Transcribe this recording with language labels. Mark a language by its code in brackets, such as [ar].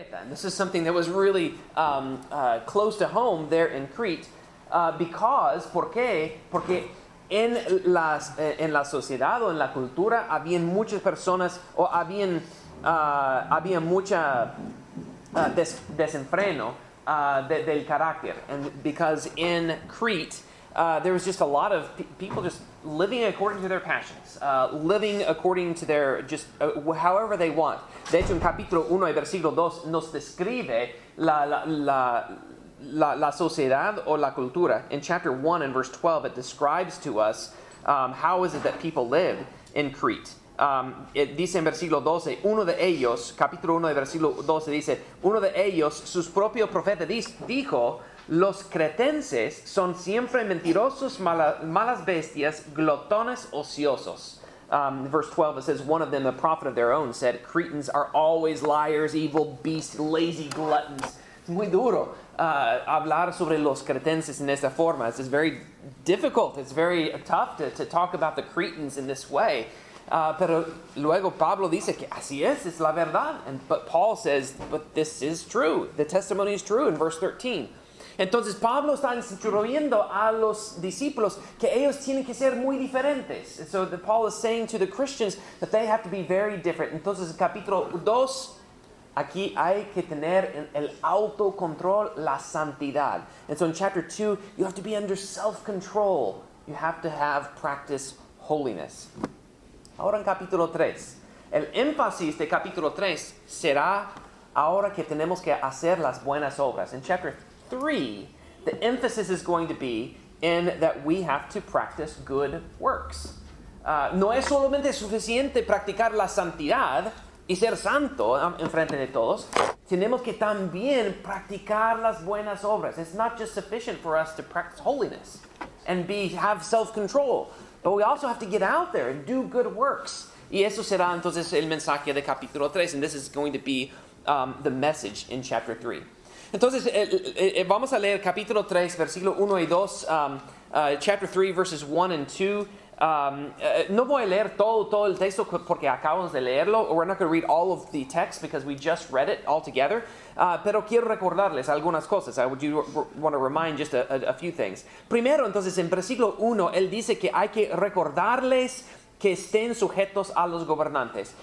[en] And this is something that was really close to home there in Crete, because [es] ¿por qué? Porque en la sociedad o en la cultura habían muchas personas o había mucha desenfreno del carácter. [en] And because in Crete there was just a lot of people just living according to their passions, living according to their, just however they want. [es] De hecho, en capítulo 1 y versículo 2 nos describe la sociedad o la cultura. [en] In chapter 1 and verse 12, it describes to us how is it that people live in Crete. [es] Dice en versículo 12, uno de ellos, capítulo 1 y versículo 12 dice, uno de ellos, sus propios profetas, dijo, los cretenses son siempre mentirosos, malas bestias, glotones, ociosos. [en] Verse 12, it says, one of them, a prophet of their own, said, Cretans are always liars, evil beasts, lazy gluttons. [es] Es muy duro hablar sobre los cretenses en esta forma. [en] It's very difficult. It's very tough to talk about the Cretans in this way. [es] Pero luego Pablo dice que así es la verdad. [en] But Paul says, but this is true. The testimony is true in verse 13. [es] Entonces, Pablo está instruyendo a los discípulos que ellos tienen que ser muy diferentes. [en] So, Paul is saying to the Christians that they have to be very different. [es] Entonces, en capítulo 2, aquí hay que tener el autocontrol, la santidad. [en] And so, in chapter 2, you have to be under self-control. You have to have practice holiness. [es] Ahora, en capítulo 3, el énfasis de capítulo 3 será ahora que tenemos que hacer las buenas obras. [en] En chapter 3, the emphasis is going to be in that we have to practice good works. [es] No es solamente suficiente practicar la santidad y ser santo en frente de todos. Tenemos que también practicar las buenas obras. [en] It's not just sufficient for us to practice holiness. and be have self-control. But we also have to get out there and do good works. [es] Y eso será entonces el mensaje de capítulo 3, [en] and this is going to be the message in chapter 3. [es] Entonces, vamos a leer capítulo 3, versículo 1 y 2, [en] chapter 3, verses 1 and 2. [es] No voy a leer todo el texto porque acabamos de leerlo. [en] We're not going to read all of the text because we just read it all together. [es] Pero quiero recordarles algunas cosas. [en] I do want to remind just a few things. [es] Primero, entonces, en versículo 1, él dice que hay que recordarles que estén sujetos a los gobernantes.